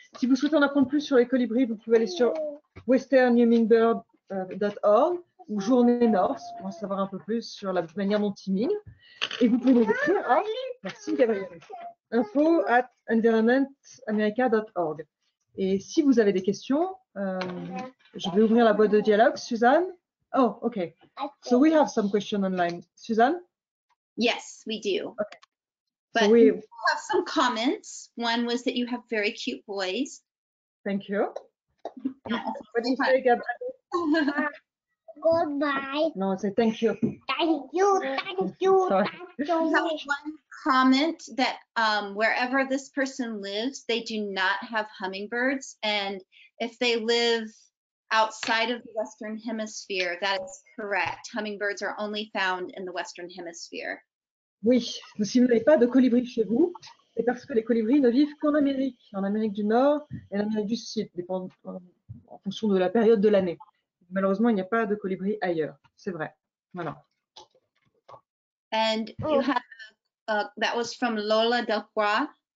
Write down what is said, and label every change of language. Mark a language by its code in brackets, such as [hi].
[fr] Si vous souhaitez en apprendre plus sur les colibris, vous pouvez aller sur westernhummingbird.org ou Journée Norse pour en savoir un peu plus sur la manière dont ils migrent. Et vous pouvez nous écrire à info@environmentamerica.org. Et si vous avez des questions, je vais ouvrir la boîte de dialogue. [en] Suzanne? Oh, okay. So we have some questions online. Suzanne? Yes, we do. Okay. But so we have some comments. One was that you have very cute boys. Thank you. What do you say, Gabriel? Goodbye. No, say thank you. Thank you. We have one comment that wherever this person lives, they do not have hummingbirds. And if they live outside of the Western Hemisphere, that is correct. Hummingbirds are only found in the Western Hemisphere. [fr] Oui, si vous n'avez pas de colibris chez vous, c'est parce que les colibris ne vivent qu'en Amérique, en Amérique du Nord et en Amérique du Sud, en fonction de la période de l'année. Malheureusement, il n'y a pas de colibris ailleurs. C'est vrai. Voilà. [en] And you have that was from Lola Delcroix.